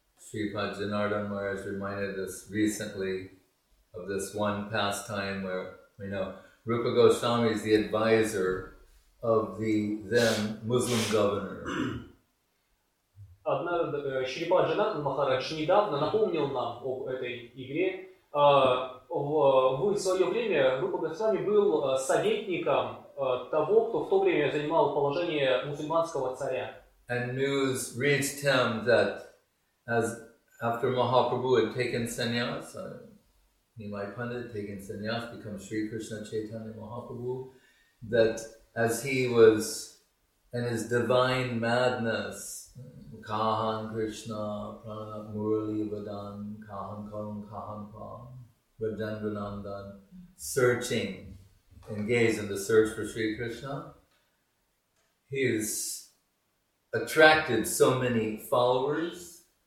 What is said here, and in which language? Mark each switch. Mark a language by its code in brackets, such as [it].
[en] Шрипад Джанардан Махарадж reminded us recently of this one pastime where, you know, Рупа Госвами is the advisor of the then Muslim governor. [ru] Однажды Шрипад Джанардан Махарадж недавно напомнил нам об этой игре. В свое время Рупа Госвами был советником того, кто в то время занимал положение мусульманского царя. [en] And news reached him that as after Mahaprabhu had taken sannyas, Nimai Pandit taken sannyas, become Sri Krishna Chaitanya Mahaprabhu, that as he was in his divine madness, Kahan Krishna, Pranab Murali Vadan, Kahan Kam, Kahan Pam, Vajandranandan, searching, engaged in the search for Sri Krishna, he has attracted so many followers.